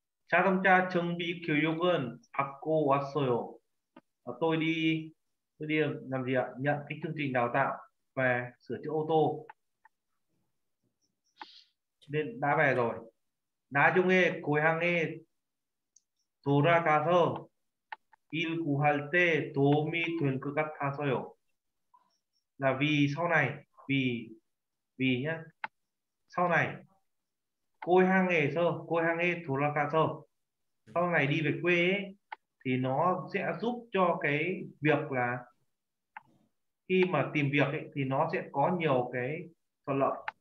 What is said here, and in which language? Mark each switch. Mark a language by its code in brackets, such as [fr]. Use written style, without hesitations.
[ko] 자동차 정비 교육은 받고 왔어요. [vi] Tôi đi làm gì ạ? Nhận cái chương trình đào tạo về sửa chữa ô tô. Nên đã về rồi. [ko] 나중에 고향에 돌아가서 일 구할 때 도움이 될 것 같아서요. [vi] Là vì sau này, vì nhá. Sau này [ko] 고향에 돌아가서 [vi] sau này đi về quê ấy, thì nó sẽ giúp cho cái việc là khi mà tìm việc ấy, thì nó sẽ có nhiều cái thuận lợi.